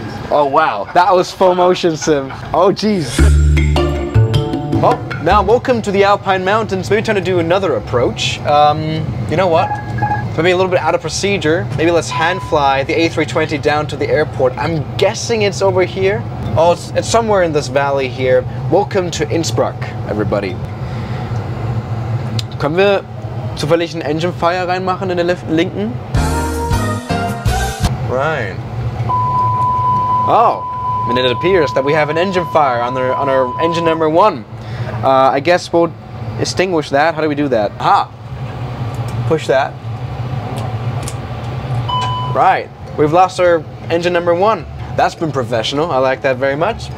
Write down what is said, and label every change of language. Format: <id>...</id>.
<en>Oh wow, that was full motion sim. Oh geez. Well, now welcome to the Alpine Mountains. Maybe time to do another approach. You know what? Maybe a little bit out of procedure. Maybe let's hand fly the A320 down to the airport. I'm guessing it's over here. Oh, it's somewhere in this valley here. Welcome to Innsbruck, everybody.</en> <de>Können wir zufällig einen Engine Fire reinmachen in den linken?</de> <en>Ryan. Oh, and it appears that we have an engine fire on our engine number one. I guess we'll extinguish that. How do we do that? Aha. Push that. Right. We've lost our engine number one. That's been professional. I like that very much.</en>